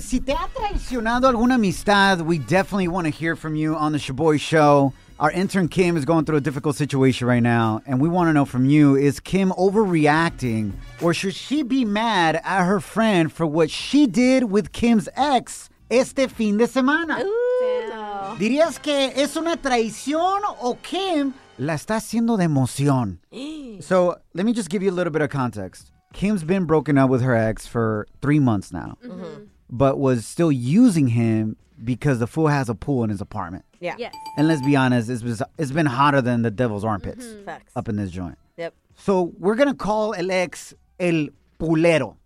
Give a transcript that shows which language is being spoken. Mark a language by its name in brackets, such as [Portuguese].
[Spanish] Si te ha traicionado alguna amistad, [English] we definitely want to hear from you on the Shaboy Show. Our intern Kim is going through a difficult situation right now, and we want to know from you, is Kim overreacting, or should she be mad at her friend for what she did with Kim's ex [Spanish] este fin de semana? [English] Ooh. [Spanish] ¿Dirías que es una traición o Kim la está haciendo de emoción? [English] So, let me just give you a little bit of context. Kim's been broken up with her ex for 3 months now, but was still using him because the fool has a pool in his apartment. Yeah. Yes. And let's be honest, it's been hotter than the devil's armpits up in this joint. Yep. So we're going to call [Spanish] el ex el pulero.